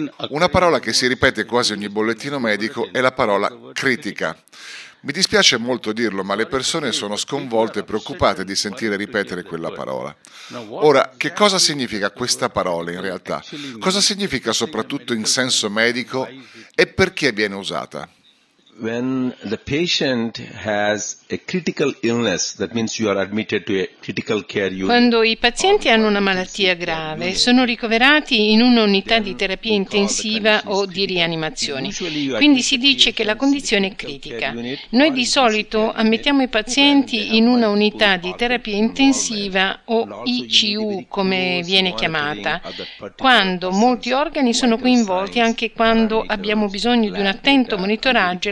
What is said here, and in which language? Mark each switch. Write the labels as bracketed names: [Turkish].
[Italian] Una parola che si ripete quasi ogni bollettino medico è la parola critica. Mi dispiace molto dirlo, ma le persone sono sconvolte e preoccupate di sentire ripetere quella parola. Ora, che cosa significa questa parola in realtà? Cosa significa soprattutto in senso medico e perché viene usata? [English] When the patient has a critical illness, that means you are admitted to a critical care unit. [Italian] Quando i pazienti hanno una malattia grave, sono ricoverati in un'unità di terapia intensiva o di rianimazione. Quindi si dice che la condizione è critica. Noi di solito ammettiamo i pazienti in una unità di terapia intensiva o ICU, come viene chiamata, quando molti organi sono coinvolti, anche quando abbiamo bisogno di un attento monitoraggio.